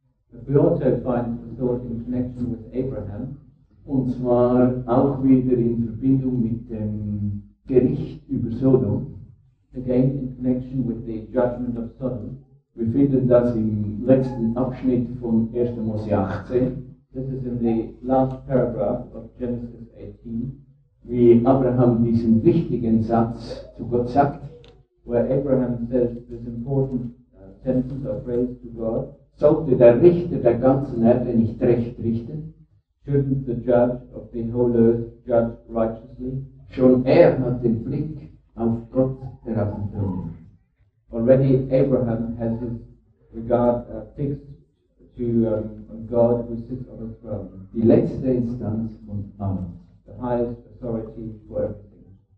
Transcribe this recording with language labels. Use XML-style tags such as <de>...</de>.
<en>But we also find the thought in connection with Abraham.</en> <de>Und zwar auch wieder in Verbindung mit dem Gericht über Sodom.</de> <en>Again in connection with the judgment of Sodom.</en> <de>We finden das im letzten Abschnitt von 1. Mose 18.</de> <en>This is in the last paragraph of Genesis 18.</en> <de>Wie Abraham diesen wichtigen Satz zu Gott sagt.</de> <en>where Abraham says this important sentence or phrase to God,</en> <de>sollte der Richter der ganzen Erde nicht recht richten?</de> <en>Shouldn't the judge of the whole earth judge righteously?</en> <de>Schon er hat den Blick auf Gott herabgetan.</de> <en>Already Abraham has his regard fixed to God who sits on the throne.</en> <de>Die letzte Instanz von allem.</de> <en>The highest authority for everything.</en>